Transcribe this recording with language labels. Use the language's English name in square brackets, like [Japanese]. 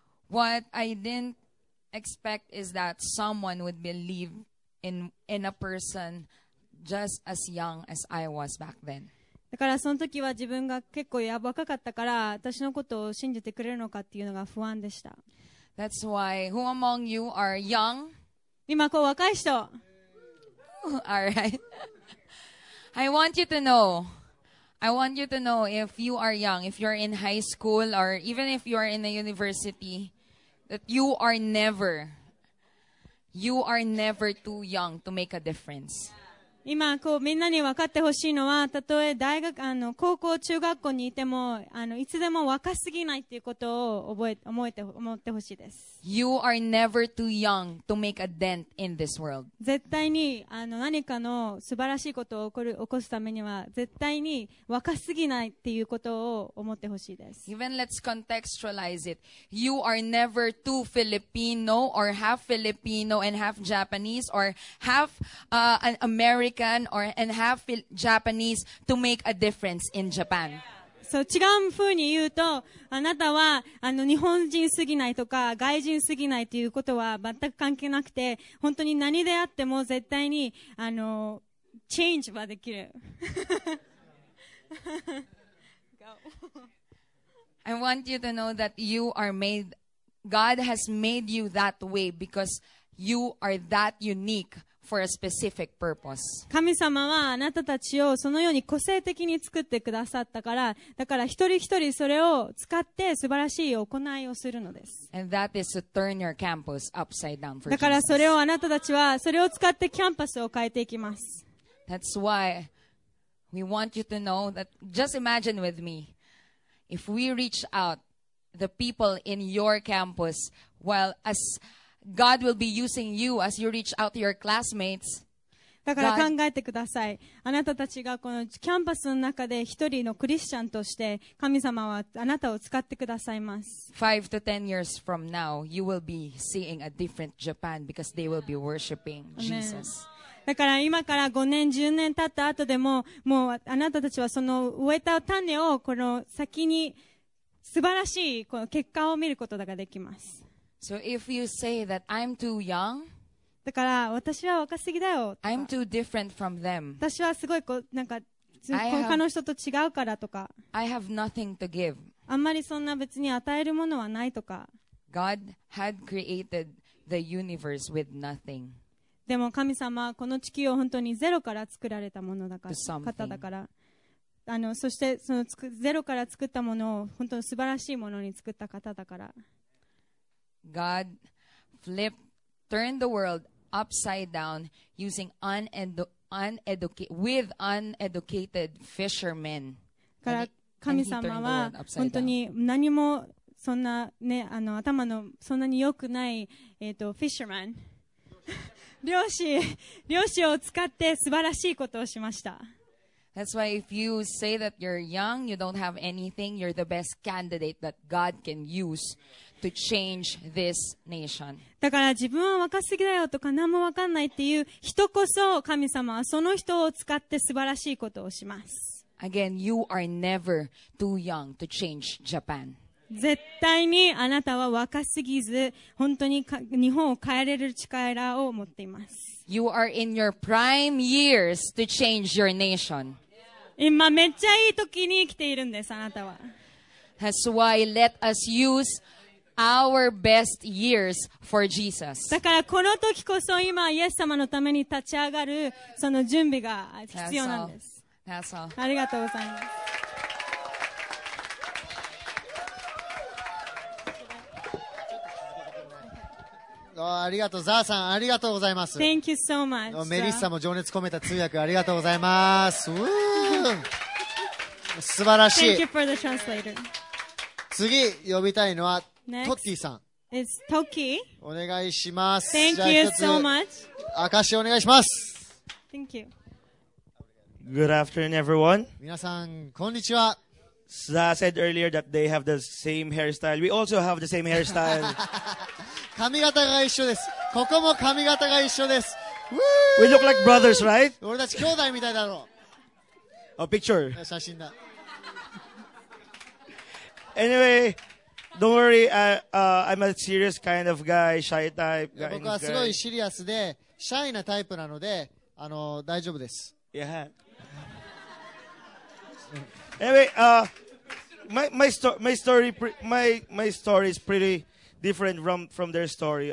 [English] What I didn'tExpect is that someone would believe in a person just as young as I was back then. [Japanese] だからその時は自分が結構やばかったから、私のことを信じてくれるのかっていうのが不安でした。 [English] That's why who among you are young? [Japanese] 今こう若い人。 [English] Alright. I want you to know if you are young, if you're in high school or even if you're in a university. That you are never too young to make a difference. [Japanese] 今こうみんなに分かってほしいのは、たとえ大学高校中学校にいてもいつでも若すぎないっていうことを思ってほしいです。 [English] You are never too young to make a dent in this world. [Japanese] 絶対に何かの素晴らしいことを起こすためには絶対に若すぎないっていうことを思ってほしいです。 [English] Even let's contextualize it. You are never too Filipino or half Filipino and half Japanese or half an American or and half Japanese to make a difference in Japan. [Japanese] そう違う風に言うと、あなたは日本人すぎないとか外人すぎないということは全く関係なくて、本当に何であっても絶対にチェンジはできる。 [English] I want you to know that you are made, God has made you that way because you are that unique. For a specific purpose. [Japanese] 神様はあなたたちをそのように個性的に作ってくださったから、だから一人一人それを使って素晴らしい行いをするのです。 [English] And that is to turn your campus upside down for Jesus. [Japanese] だからそれをあなたたちはそれを使ってキャンパスを変えていきます。 [English] That's why we want you to know that just imagine with me, if we reach out the people in your campus, well, asGod will be using you as you reach out to your classmates. [Japanese] だから考えてください。あなたたちがこのキャンパスの中で一人のクリスチャンとして、神様はあなたを使ってくださいます。 [English] 5 to 10 years from now, you will be seeing a different Japan because they will be worshiping Jesus. [Japanese] だから今から5年、10年経った後でも、もうあなたたちはその植えた種をこの先に素晴らしいこの結果を見ることができます。 [English] So if you say that I'm too young, [Japanese] だから私は若すぎだよ。 [English] I'm too different from them. [Japanese] 私はすごいこうなんか他の人と違うからとか。 [English] I have nothing to give. [Japanese] あんまりそんな別に与えるものはないとか。 [English] God had created the universe with nothing. [Japanese] でも神様はこの地球を本当にゼロから作られたものだから、方だから。あの、そしてそのゼロから作ったものを本当に素晴らしいものに作った方だから。 [English] God flipped, turned the world upside down using with uneducated fishermen. [Japanese] から神様は本当に何もそんな、ね、あの頭のそんなに良くない、フィッシュマン漁師を使って素晴らしいことをしました。 [English] That's why if you say that you're young, you don't have anything, you're the best candidate that God can use to change this nation. [Japanese] だから自分は若すぎだよとか何も分かんないっていう人こそ神様はその人を使って素晴らしいことをします。 [English] Again, you are never too young to change Japan. [Japanese] 絶対にあなたは若すぎず、本当に日本を変えれる力を持っています。 [English] You are in your prime years to change your nation. [Japanese] 今めっちゃいい時に生きているんです、あなたは。 [English] That's why let us use our best years for Jesus. [Japanese] だからこの時こそ今、イエス様のために立ち上がるその準備が必要なんです。 [English] That's all. [Japanese] ありがとうございます。ありがとう、ザーさん、ありがとうございます。 [English] Thank you so much. [Japanese] メリッサも情熱込めた通訳、ありがとうございます。素晴らしい。 [English] Thank you for the translator. [Japanese] 次、呼びたいのは、 [English] Next、 [Japanese] トッティさん。 [English] It's Toki. [Japanese] お願いします。 [English] Thank you so much. [Japanese] 証しお願いします。 [English] Thank you. Good afternoon, everyone. [Japanese] 皆さん、こんにちは。 [English] Za said earlier that they have the same hairstyle. We also have the same hairstyle. [Japanese] 髪型が一緒です。ここも髪型が一緒です。 [English] We look like brothers, right? [Japanese] 俺たち兄弟みたいだろう。 [English] A picture. [Japanese] 写真だ。 [English] Anyway, don't worry. I'm a serious kind of guy, shy type. [Japanese] 僕はすごいシリアスで、シャイなタイプなので、あの、大丈夫です。 [English] Yeah. Anyway, my story is pretty different from their story.